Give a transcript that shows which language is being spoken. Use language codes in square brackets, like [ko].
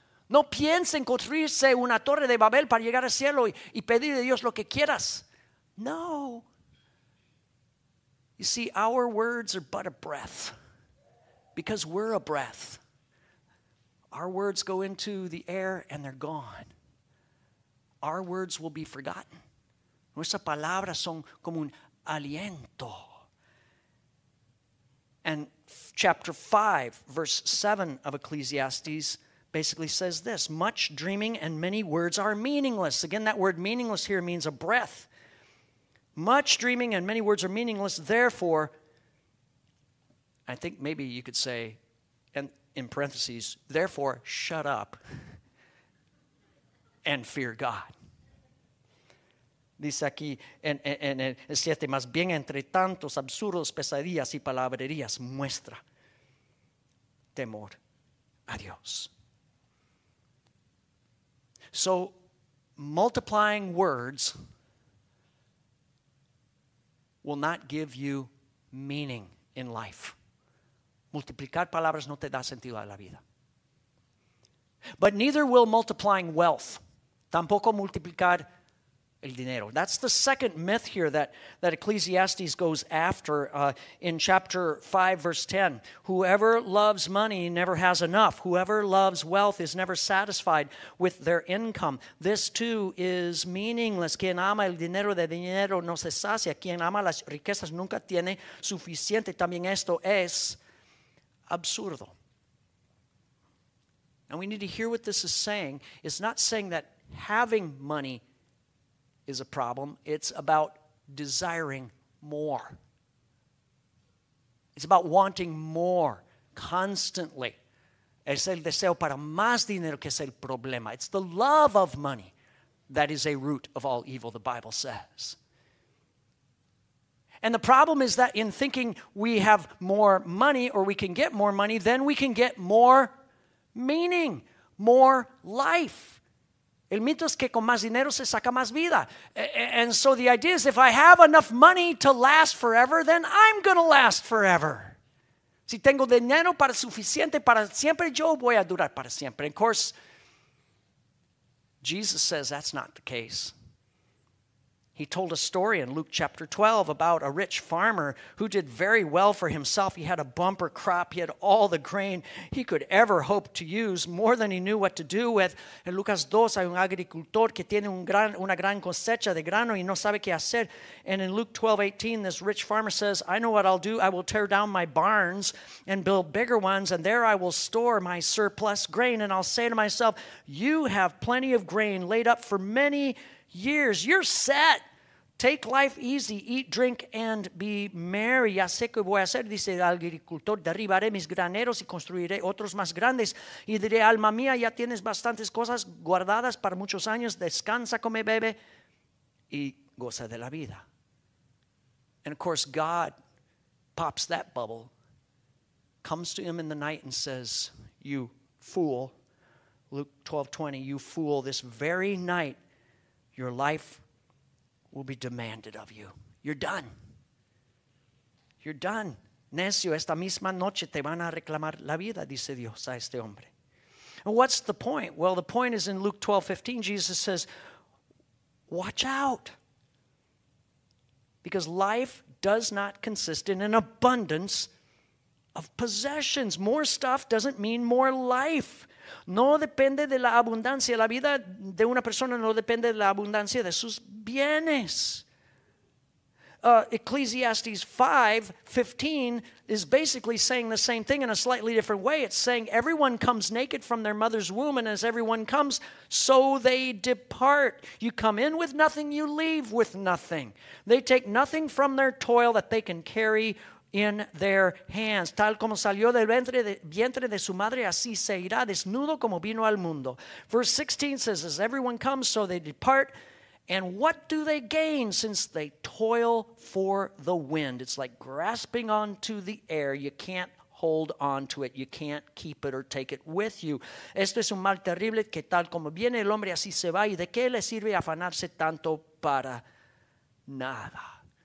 [es] No piensen construirse una torre de Babel para llegar al cielo y pedir de Dios lo que quieras. No. [en] You see, our words are but a breath because we're a breath. Our words go into the air and they're gone. Our words will be forgotten. [es] Nuestras palabras son como un aliento. [en] And chapter 5, verse 7 of Ecclesiastes basically says this, much dreaming and many words are meaningless. Again, that word meaningless here means a breath. Much dreaming and many words are meaningless. Therefore, I think maybe you could say, and in parentheses, therefore, shut up and fear God. [es] Dice aquí, en el 7, más bien entre tantos absurdos, pesadillas y palabrerías, muestra temor a Dios. [en] So, multiplying words will not give you meaning in life. [es] Multiplicar palabras no te da sentido a la vida. [en] But neither will multiplying wealth. [es] Tampoco multiplicar el dinero. [en] That's the second myth here that Ecclesiastes goes after in chapter 5, verse 10. Whoever loves money never has enough. Whoever loves wealth is never satisfied with their income. This too is meaningless. [es] Quien ama el dinero de dinero no se sacia. Quien ama las riquezas nunca tiene suficiente. También esto es absurdo. [en] Now we need to hear what this is saying. It's not saying that having money is a problem. It's about desiring more. It's about wanting more constantly. [es] Es el deseo para más dinero que es el problema. [en] It's the love of money that is a root of all evil, the Bible says. And the problem is that in thinking we have more money or we can get more money, then we can get more meaning, more life. [es] El mito es que con más dinero se saca más vida. [en] And so the idea is if I have enough money to last forever, then I'm going to last forever. [es] Si tengo dinero para suficiente para siempre, yo voy a durar para siempre. [en] And of course, Jesus says that's not the case. He told a story in Luke chapter 12 about a rich farmer who did very well for himself. He had a bumper crop. He had all the grain he could ever hope to use, more than he knew what to do with. [es] En Lucas 2 hay un agricultor que tiene una gran cosecha de grano y no sabe qué hacer. [en] And in Luke 12:18, this rich farmer says, I know what I'll do. I will tear down my barns and build bigger ones, and there I will store my surplus grain. And I'll say to myself, you have plenty of grain laid up for many years, you're set. Take life easy, eat, drink, and be merry. [es] Ya sé qué voy a hacer, dice el agricultor. Derribaré mis graneros y construiré otros más grandes. Y diré, alma mía, ya tienes bastantes cosas guardadas para muchos años. Descansa, come, bebe, y goza de la vida. [en] And of course, God pops that bubble, comes to him in the night and says, you fool. Luke 12:20, you fool, this very night your life will be demanded of you. You're done. You're done. [es] Necio, esta misma noche te van a reclamar la vida, dice Dios a este hombre. [en] And what's the point? Well, the point is in Luke 12:15, Jesus says, watch out. Because life does not consist in an abundance of possessions. More stuff doesn't mean more life. [es] No depende de la abundancia. La vida de una persona no depende de la abundancia de sus bienes. [en] Ecclesiastes 5:15 is basically saying the same thing in a slightly different way. It's saying everyone comes naked from their mother's womb, and as everyone comes, so they depart. You come in with nothing, you leave with nothing. They take nothing from their toil that they can carry in their hands. [es] Tal como salió del vientre de su madre, así se irá, desnudo como vino al mundo. [en] Verse 16 says, as everyone comes, so they depart. And what do they gain since they toil for the wind? It's like grasping onto the air. You can't hold on to it. You can't keep it or take it with you. [es] Esto es un mal terrible, que tal como viene el hombre, así se va. ¿Y de qué le sirve afanarse tanto para nada?